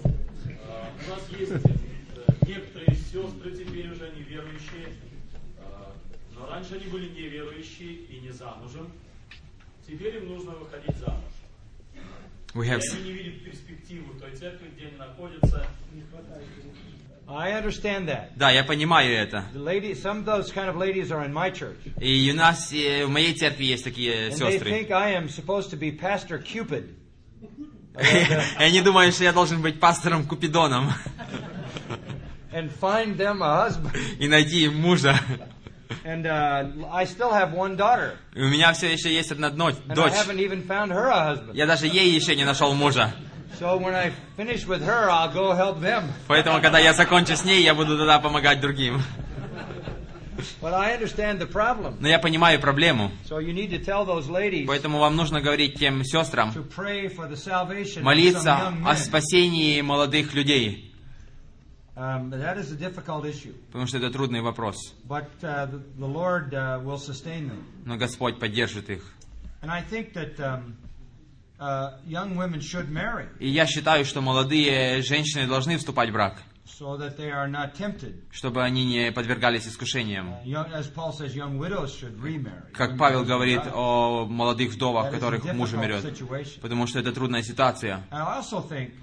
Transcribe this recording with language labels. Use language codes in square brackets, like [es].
[ru] У нас есть некоторые сестры, теперь уже они верующие. Но раньше они были неверующие и не замужем. Теперь им нужно выходить замуж. [en] We have... [ru] Они не видят перспективы той церкви, где они находятся. Не хватает денег. [en] I understand that. [ru] Да, я понимаю это. [en] The lady, some of those kind of ladies are in my church. [ru] И у нас в моей церкви есть такие сестры. [en] And they think I am supposed to be Pastor Cupid. [ru] И они думают, что я должен быть пастором Купидоном. [en] And find them a husband. [ru] И найти им мужа. [en] And I still have one daughter. [ru] У меня все еще есть одна дочь. [en] I haven't even found her a husband. [ru] Я даже ей еще не нашел мужа. [en] So when I finish with her, I'll go help them. [ru] Поэтому когда я закончу с ней, я буду тогда помогать другим. [en] But I understand the problem. [ru] Но я понимаю проблему. [en] So you need to tell those ladies. [ru] Поэтому вам нужно говорить тем сестрам. [en] To pray for the salvation. [ru] Молиться [en] of some [ru] о спасении молодых людей. [en] That is a difficult issue. [ru] Потому что это трудный вопрос. [en] But the Lord will sustain them. [ru] Но Господь поддержит их. [en] And I think that young women should marry. [ru] И я считаю, что молодые женщины должны вступать в брак. [en] So that they are not tempted. [ru] Чтобы они не подвергались искушениям. [en] As Paul says, young widows should remarry. [ru] Как Павел говорит о молодых вдовах, которых муж умрет. Потому что это трудная ситуация. [en] And I also think.